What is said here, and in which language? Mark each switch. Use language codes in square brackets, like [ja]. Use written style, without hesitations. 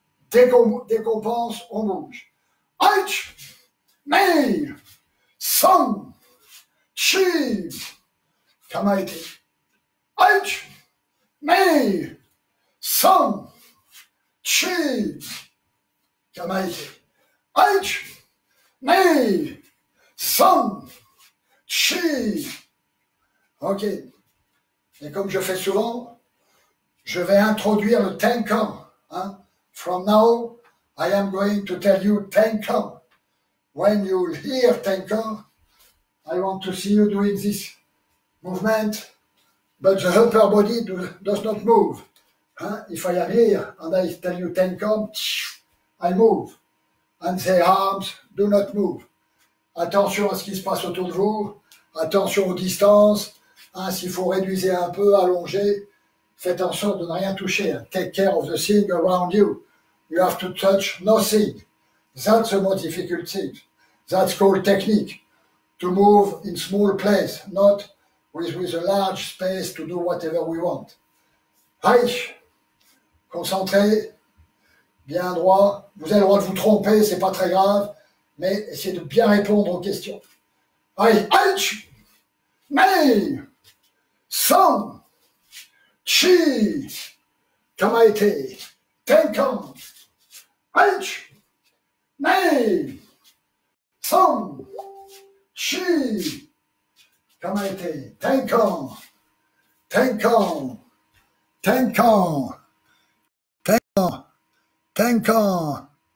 [fr] Dès qu'on pense, on bouge. Halt! Nein! Sam! Chim! Kamaite! Halt! Nein! Sam! Chim! Kamaite! Halt! Nein! Sam! Chim! Ok. Et comme je fais souvent, je vais introduire le tenkan, hein. [en] From now, I am going to tell you tenkan. When you hear tenkan, I want to see you doing this movement, but the upper body does not move. Huh? If I am here and I tell you tenkan, I move. And the arms do not move. [fr] Attention à ce qui se passe autour de vous. Attention aux distances. Hein, s'il faut réduire un peu, allonger, faites en sorte de ne rien toucher. [en] Take care of the thing around you. You have to touch nothing. That's the most difficult thing. That's called technique. To move in small place, not with a large space to do whatever we want. [fr] Aïe. Concentré. Bien droit. Vous avez le droit de vous tromper, c'est pas très grave. Mais essayez de bien répondre aux questions. Aïe. Aïe. Mei. Son. Chi. Kamaite. Tenkan. Halt! Nein! Son! Chi! Kamaite! Tenkan! Tenkan! Tenkan! Tenkan! Tenkan!